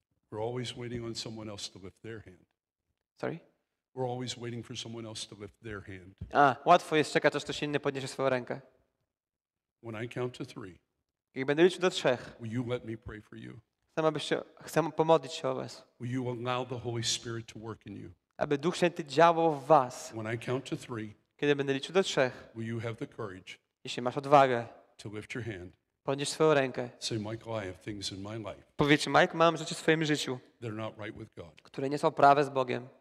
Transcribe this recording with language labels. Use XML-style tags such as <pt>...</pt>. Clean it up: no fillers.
<en>We're always waiting on someone else to lift their hand. Sorry? We're always waiting for someone else to lift their hand.</en> <pl>A, łatwo jest czekać, aż ktoś inny podniesie swoją rękę.</pl> <en>When I count to three,</en> <pl>kiedy będę liczył do trzech,</pl> <en>will you let me pray for you?</en> <pl>Chcę pomodlić się o was.</pl> <en>Will you allow the Holy Spirit to work in you?</en> <pl>Aby Duch Święty działał w was.</pl> <en>When I count to three,</en> <pl>kiedy będę liczył do trzech,</pl> <en>will you have the courage,</en> <pl>jeśli masz odwagę,</pl> <en>to lift your hand.</en> <pl>Podnieś swoją rękę.</pl> <en>Say, Michael, I have things in my life.</en> <pl>Powiedz, Mike, mam rzeczy w swoim życiu,</pl> <en>that are not right with God.</en> <pl>Które nie są prawe z Bogiem.</pl>